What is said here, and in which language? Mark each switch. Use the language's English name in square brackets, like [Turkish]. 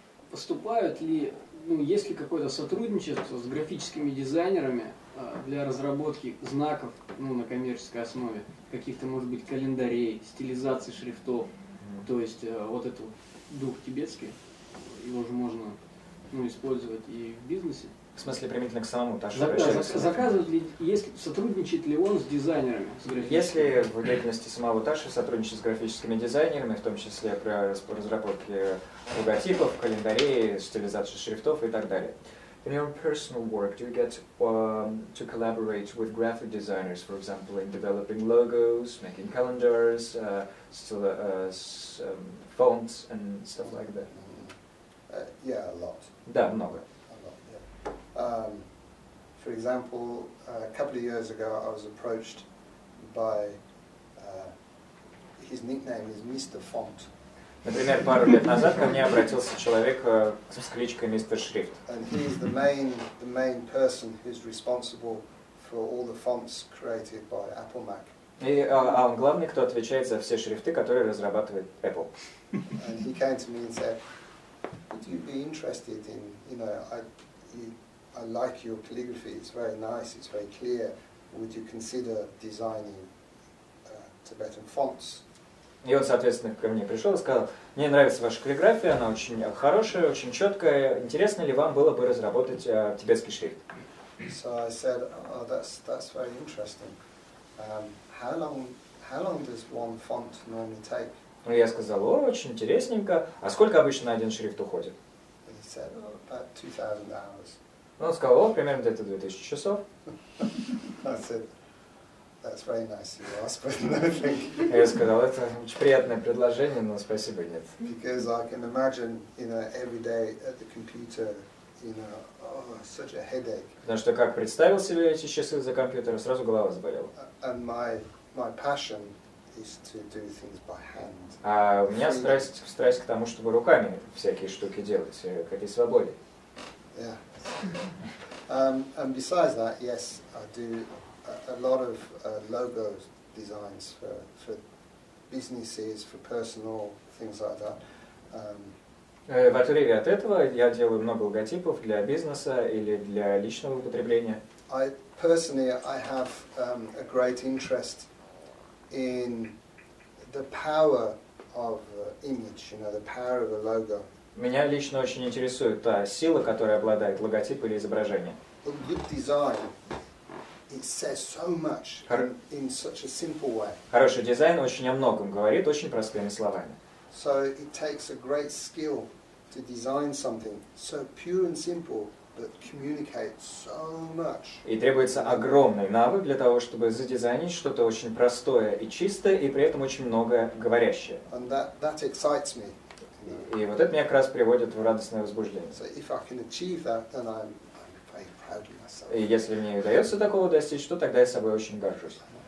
[Russian] Поступают ли, ну, есть ли какое-то сотрудничество с графическими дизайнерами для разработки знаков, ну, на коммерческой основе, каких-то, может быть, календарей, стилизации шрифтов, то есть вот этот дух тибетский, его же можно, ну, использовать и в бизнесе. В смысле, применительно к самому Ташу? Заказывает ли, сотрудничает ли он с дизайнерами? С если в деятельности самого Таши сотрудничать с графическими дизайнерами, в том числе при разработке логотипов, календарей, стилизации шрифтов и так далее. [English] In your personal work, do you get to collaborate with graphic designers, for example, in developing logos, making calendars, fonts and stuff like that? Yeah, a lot. [Russian] Да, много. [English] For example, a couple of years ago, I was approached by his nickname is Mr. Font. [Russian] Например, пару лет назад ко мне обратился человек с кличкой Мистер Шрифт. [English] And he's the main person who's responsible for all the fonts created by Apple Mac. [Russian] И он главный, кто отвечает за все шрифты, которые разрабатывает Apple. [English] And he came to me and said, "Would you be interested in, you know, I, you?" I like your calligraphy. It's very nice. It's very clear. Would you consider designing Tibetan fonts? [Russian] И он, соответственно, ко мне пришел и сказал: мне нравится ваша каллиграфия, она очень хорошая, очень четкая. Интересно ли вам было бы разработать тибетский шрифт? [English] So I said, oh, that's very interesting. How long does one font normally take? [Russian] Ну, я сказал: о, очень интересненько. А сколько обычно на один шрифт уходит? [English] He said, oh, about 2000 hours. [Russian] Ну, он сказал: о, примерно где-то 2000 часов. [English] That's very nice of you to ask, but no, thank you. [Russian] Я сказал, это очень приятное предложение, но спасибо, нет. [English] Because I can imagine, you know, every day at the computer, you know, oh, such a headache. [Russian] Потому что как представил себе эти часы за компьютером, сразу голова заболела. [English] And my passion is to do things by hand. [Russian] А у меня страсть к тому, чтобы руками всякие штуки делать, к этой свободе. [English] Yeah. And besides that, yes, I do a lot of logo designs for businesses, for personal things like that. [Russian] В отрыве от этого я делаю много логотипов для бизнеса или для личного употребления. [English] I personally, I have a great interest in the power of image, you know, the power of a logo. [Russian] Меня лично очень интересует та сила, которой обладает логотип или изображение. [English] A good design, it says so much in such a simple way. [Russian] Хороший дизайн очень о многом говорит, очень простыми словами. [English] So it takes a great skill to design something so pure and simple, but communicate so much. [Russian] И требуется огромный навык для того, чтобы задизайнить что-то очень простое и чистое, и при этом очень многое говорящее. [English] And that excites me. [Russian] И вот это меня как раз приводит в радостное возбуждение. [English] So if I can achieve that, then I'm very proud of myself. [Russian] И если мне удается такого достичь, то тогда я собой очень горжусь.